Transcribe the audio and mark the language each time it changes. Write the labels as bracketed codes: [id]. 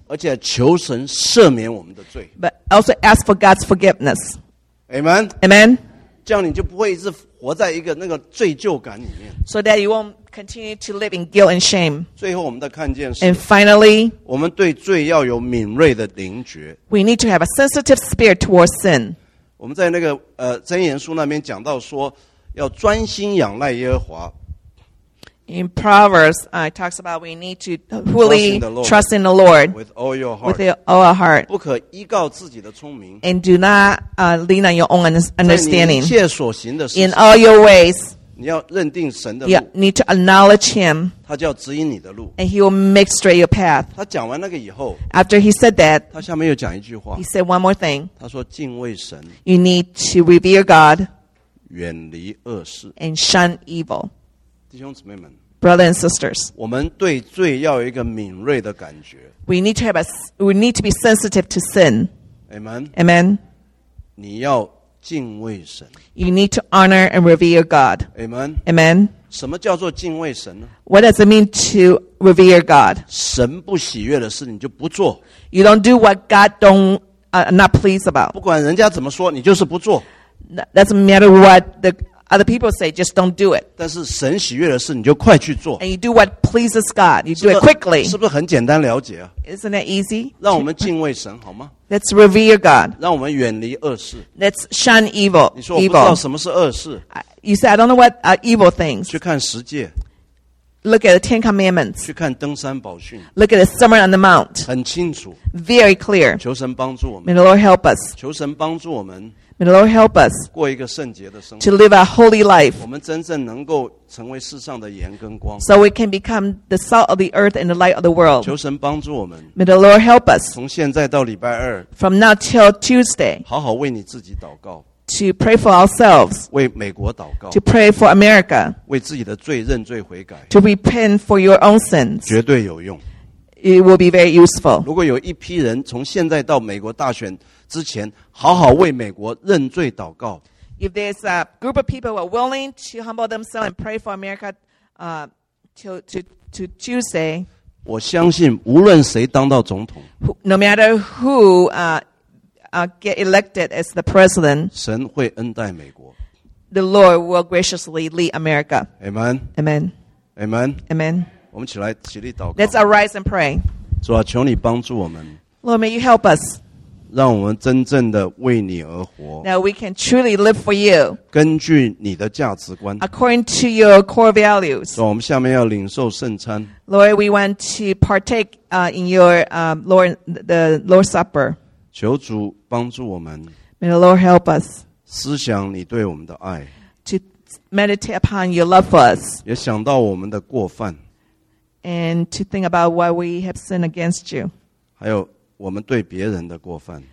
[zh] 而且求神赦免我们的罪。 [en] But also ask for God's forgiveness. Amen. Amen. [zh] 这样你就不会一直活在一个那个罪疚感里面。 [en] So that you won't continue to live in guilt and shame. [zh] 最后我们的看见是。 [en] And finally, [zh] 我们对罪要有敏锐的灵觉。 [en] We need to have a sensitive spirit towards sin. [zh] 我们在那个箴言书那边讲到说，要专心仰赖耶和华。 [en] In Proverbs, it talks about we need to fully trust in the Lord with all your heart. With all our heart. [zh] 不可依靠自己的聪明。 [en] And do not lean on your own understanding. [zh] 在你一切所行的事。 [en] In all your ways. [zh] 你要认定神的路。 [en] You need to acknowledge Him. [zh] 他就要指引你的路。 [en] And He will make straight your path. [zh] 他讲完那个以后。 [en] After He said that. [zh] 他下面又讲一句话。 [en] He said one more thing. [zh] 他说敬畏神。 [en] You need to revere God. [zh] 远离恶事。 [en] And shun evil. [zh] 弟兄姊妹们 [en] Brothers and sisters, [zh] 我们对罪要有一个敏锐的感觉。 [en] We need to be sensitive to sin. Amen. Amen. [zh] 你要敬畏神。 [en] You need to honor and revere God. Amen. Amen. [zh] 什么叫做敬畏神呢？ [en] What does it mean to revere God? [zh] 神不喜悦的事你就不做。 [en] You don't do what God not pleased about. [zh] 不管人家怎么说，你就是不做。 [en] That doesn't matter what the other people say, just don't do it. [zh] 但是神喜悦的事你就快去做。 [en] And you do what pleases God. You do it quickly. [zh] 是不是很简单了解啊？ [en] Isn't that easy? [zh] 让我们敬畏神好吗？ [en] Let's revere God. [zh] 让我们远离恶事。 [en] Let's shun evil. [zh] 你说我不知道什么是恶事。 [en] You say, I don't know what are evil things. [zh] 去看十诫。 [en] look at the Ten Commandments. [zh] 去看登山宝训。 [en] Look at the Sermon on the Mount. [zh] 很清楚。 [en] Very clear. [zh] 求神帮助我们。 [en] May the Lord help us. [zh] 求神帮助我们。 [en] May the Lord help us. [zh] 过一个圣洁的生活。 [en] To live a holy life. [zh] 我们真正能够成为世上的盐跟光。 [en] So we can become the salt of the earth and the light of the world. [zh] 求神帮助我们。 [en] May the Lord help us. [zh] 从现在到礼拜二。 [en] From now till Tuesday. [zh] 好好为你自己祷告。 [en] To pray for ourselves. [zh] 为美国祷告。 [en] To pray for America. [zh] 为自己的罪认罪悔改。 [en] To repent for your own sins. [zh] 绝对有用。 [en] It will be very useful. [zh] 如果有一批人从现在到美国大选之前，好好为美国认罪祷告。 [en] If there's a group of people who are willing to humble themselves and pray for America, to Tuesday. [zh] 我相信无论谁当到总统。 [en] No matter who, get elected as the president, [zh] 神会恩待美国。 [en] The Lord will graciously lead America. Amen. Amen. Amen. Amen. [zh] 我们起来起立祷告。 [en] Let's arise and pray. [zh] 主啊，求你帮助我们。 [en] Lord, may you help us. [zh] 让我们真正的为你而活。 [en] Now we can truly live for you. [zh] 根据你的价值观。 [en] According to your core values. [zh] 主啊，我们下面要领受圣餐。 [en] Lord, we want to partake in your the Lord's Supper. [zh] 求主帮助我们。 [en] May the Lord help us. [zh] 思想你对我们的爱。 [en] To meditate upon your love for us. [zh] 也想到我们的过犯。 [en] And to think about why we have sinned against you. [zh] 还有我们对别人的过犯。